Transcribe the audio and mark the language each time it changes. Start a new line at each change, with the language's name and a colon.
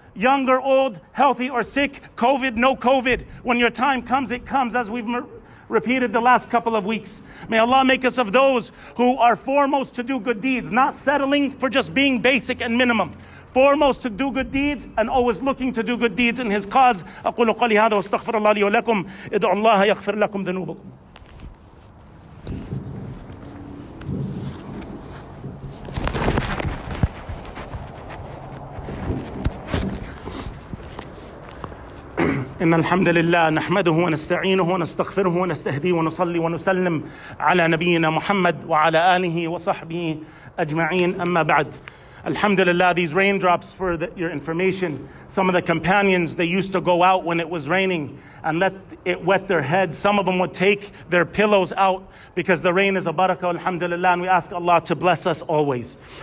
English: Young or old, healthy or sick, COVID, no COVID. When your time comes, it comes, as we've repeated the last couple of weeks. May Allah make us of those who are foremost to do good deeds, not settling for just being basic and minimum. Foremost to do good deeds and always looking to do good deeds in His cause.
Arabic: أقول قولي هذا واستغفر الله لي ولكم ادعوا الله يغفر لكم ذنوبكم. إن الحمد لله نحمده ونستعينه ونستغفره ونستهديه ونصلي ونسلم على نبينا محمد وعلى آله وصحبه أجمعين. أما بعد,
English: Alhamdulillah, these raindrops, for your information, some of the companions, they used to go out when it was raining and let it wet their heads. Some of them would take their pillows out because the rain is a barakah, alhamdulillah, and we ask Allah to bless us always.